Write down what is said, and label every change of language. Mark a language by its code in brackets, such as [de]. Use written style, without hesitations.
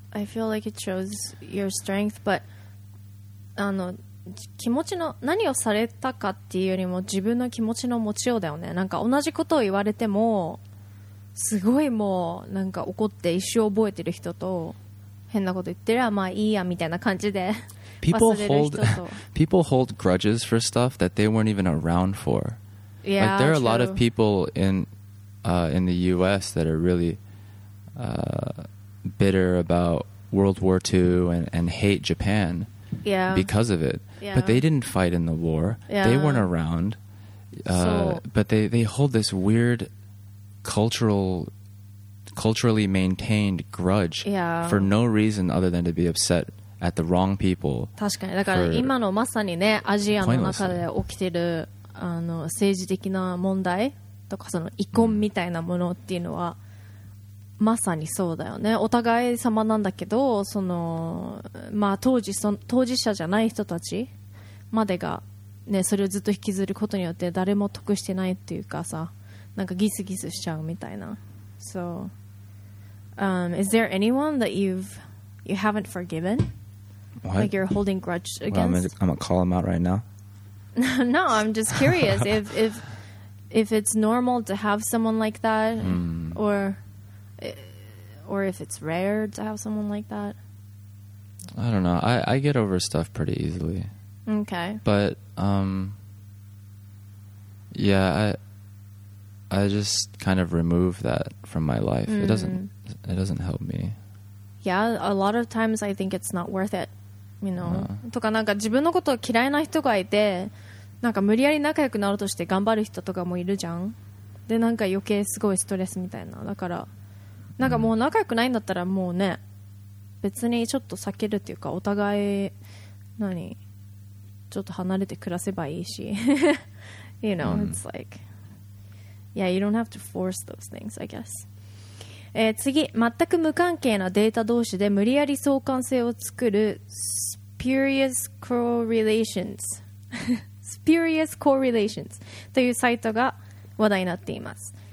[en] I feel like it shows your strength, but I don't know. [ja] 気持ちの何をされたかっていうよりも自分の気持ちの持ちようだよね。なんか同じことを言われてもすごいもうなんか怒って一生覚えてる人と変なこと言ってるまあいいやみたいな感じで [en] people hold people hold grudges for stuff that they weren't even around for. Yeah, like there are true. A lot of people in the U.S. that are really bitter about World War II and hate Japan. Yeah. Because of it. Yeah. But they didn't fight in the war. Yeah. They weren't around. But they hold this weird culturally maintained grudge for no reason other than to be upset at the wrong people. [ja] 確かに。だから今のまさにね、アジアの中で起きてるあの政治的な問題とかその遺恨みたいなものっていうのは、まさにそうだよね。お互い様なんだけど、その、まあ、当事者じゃない人たちまでが、ね、それをずっと引きずることによって誰も得してないっていうかさ、なんかギスギスしちゃうみたいな。 [en] So, is there anyone that you haven't forgiven? What? Like you're holding grudge against? Well, I'm gonna call him out right now. No, I'm just curious if it's normal to have someone like that or if it's rare to have someone like that. I don't know. I get over stuff pretty easily. Okay. But yeah, I just kind of remove that from my life. Mm. It doesn't help me. Yeah, a lot of times I think it's not worth it, you know. [ja] とかなんか自分のことを嫌いな人がいて、なんか無理やり仲良くなろうとして頑張る人とかもいるじゃん。でなんか余計すごいストレスみたいな。だからなんかもう仲良くないんだったらもうね別にちょっと避けるっていうかお互い何ちょっと離れて暮らせばいいし [en] You know, it's like Yeah, you don't have to force those things, I guess [ja] 次、全く無関係なデータ同士で無理やり相関性を作る Spurious Correlations Spurious Correlations というサイトが話題になっています。